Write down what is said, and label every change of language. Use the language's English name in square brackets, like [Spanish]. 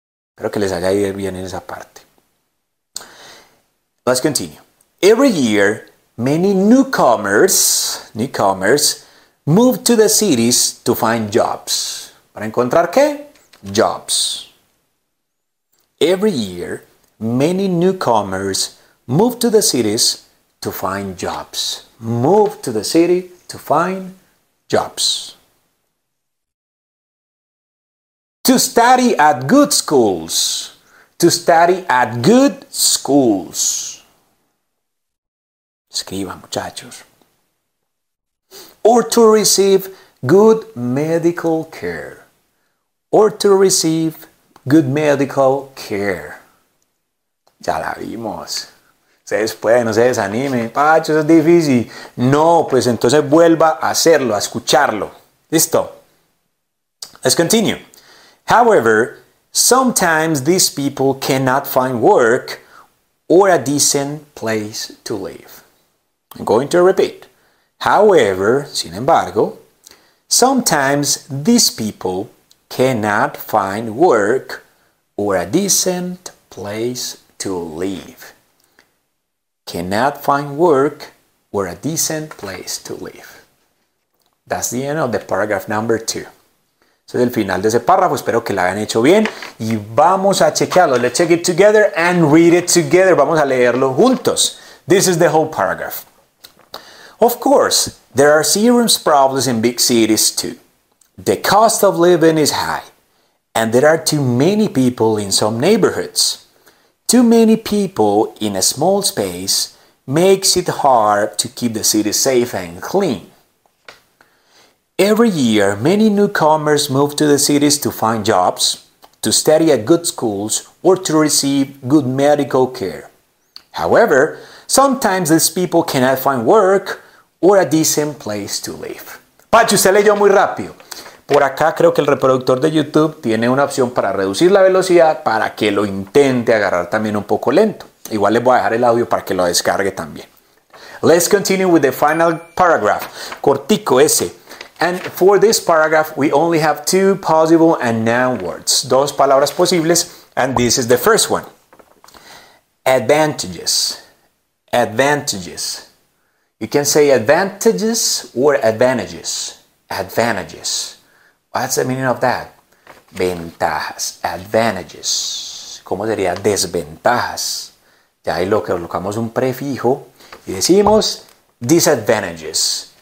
[Spanish] Espero que les haya ido bien en esa parte. [English] Let's continue. Every year, many newcomers move to the cities to find jobs. [Spanish] ¿Para encontrar qué? [English] Jobs. Every year, many newcomers move to the cities to find jobs. Move to the city to find jobs. To study at good schools. To study at good schools. [Spanish] Escriba, muchachos. [English] Or to receive good medical care. Or to receive good medical care. [Spanish] Ya la vimos. Ustedes pueden, no se desanimen. Pacho, eso es difícil. No, pues entonces vuelva a hacerlo, a escucharlo. ¿Listo? [English] Let's continue. However, sometimes these people cannot find work or a decent place to live. I'm going to repeat. However, [Spanish] sin embargo, [English] sometimes these people cannot find work or a decent place to live. Cannot find work or a decent place to live. That's the end of the paragraph number 2. [Spanish] Ese es el final de ese párrafo. Espero que lo hayan hecho bien. Y vamos a chequearlo. [English] Let's check it together and read it together. [Spanish] Vamos a leerlo juntos. [English] This is the whole paragraph. Of course, there are serious problems in big cities too. The cost of living is high, and there are too many people in some neighborhoods. Too many people in a small space makes it hard to keep the city safe and clean. Every year, many newcomers move to the cities to find jobs, to study at good schools, or to receive good medical care. However, sometimes these people cannot find work or a decent place to live. [Spanish] Pacho, usted leyó muy rápido. Por acá creo que el reproductor de YouTube tiene una opción para reducir la velocidad para que lo intente agarrar también un poco lento. Igual les voy a dejar el audio para que lo descargue también. [English] Let's continue with the final paragraph. [Spanish] Cortico ese. [English] And for this paragraph, we only have two possible and noun words. [Spanish] Dos palabras posibles. [English] And this is the first one. Advantages. Advantages. You can say advantages or advantages. Advantages. What's the meaning of that? [Spanish] Ventajas. [English] Advantages. [Spanish] ¿Cómo sería desventajas? Ya ahí lo que colocamos un prefijo y decimos [English] disadvantages.